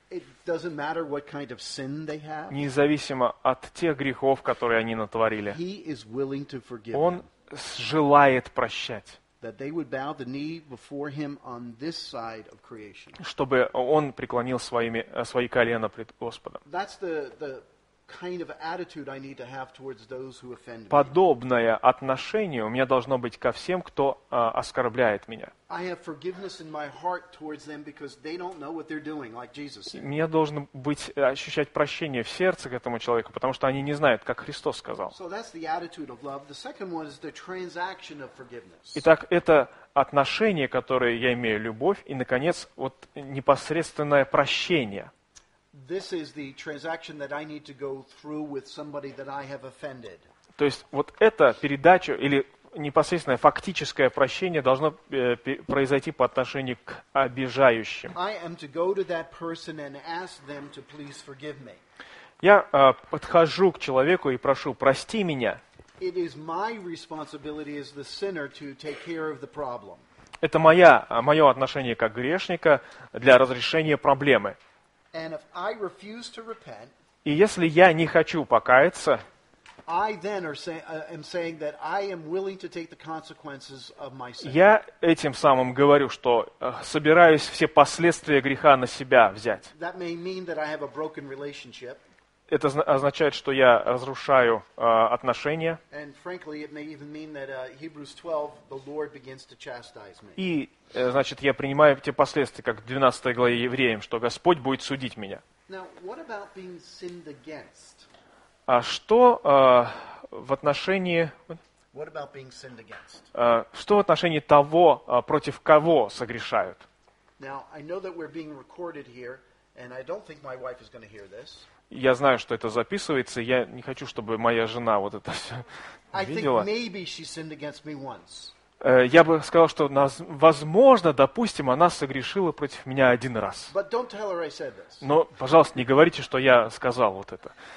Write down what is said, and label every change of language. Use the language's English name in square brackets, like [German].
[English] It doesn't matter what kind of sin they have. [Russian] Независимо от тех грехов, которые они натворили. [English] He is willing to forgive. [Russian] Он желает прощать. [English] That they would bow the knee before him on this side of creation. [Russian] Чтобы он преклонил свои колена пред Господом. [English] That's the kind of attitude I need to have towards those who offend me. [Russian] Подобное отношение у меня должно быть ко всем, кто оскорбляет меня. [English] I have forgiveness in my heart towards them because they don't know what they're doing, like Jesus said. [Russian] Мне должно быть ощущать прощение в сердце к этому человеку, потому что они не знают, как Христос сказал. [English] So that's the attitude of love. The second one is the transaction of forgiveness. [Russian] Итак, это отношение, которое я имею, любовь, и, наконец, вот непосредственное прощение. [English] This is the transaction that I need to go through with somebody that I have offended. [Russian] То есть вот это передача или непосредственное фактическое прощение должно произойти по отношению к обижающим. [English] I am to go to that person and ask them to please forgive me. [Russian] Я подхожу к человеку и прошу: прости меня. [English] It is my responsibility as the sinner to take care of the problem. [Russian] Это мое отношение как грешника для разрешения проблемы. [English] And if I refuse to repent, [Russian] и если я не хочу покаяться, [English] I then am saying that I am willing to take the consequences of my sin. [Russian] Я этим самым говорю, что собираюсь все последствия греха на себя взять. [English] That may mean that I have a broken relationship. [Russian] Это означает, что я разрушаю отношения. [English] And frankly, it may even mean that Hebrews 12, the Lord begins to chastise me. [Russian] И значит, я принимаю те последствия, как в 12 главе Евреям, что Господь будет судить меня. [English] Now, what about being sinned against? [Russian] А что в отношении? [English] What about being sinned against? [Russian] Что в отношении того, против кого согрешают? [English] Now, I know that we're being recorded here, and I don't think my wife is going to hear this. [Russian] Я знаю, что это записывается, я не хочу, чтобы моя жена вот это все видела. [English] I think maybe she sinned against me once. [Russian] Я бы сказал, что, возможно, допустим, она согрешила против меня один раз. [English] But don't tell her I said this. [Russian] Но, пожалуйста, не говорите, что я сказал вот это.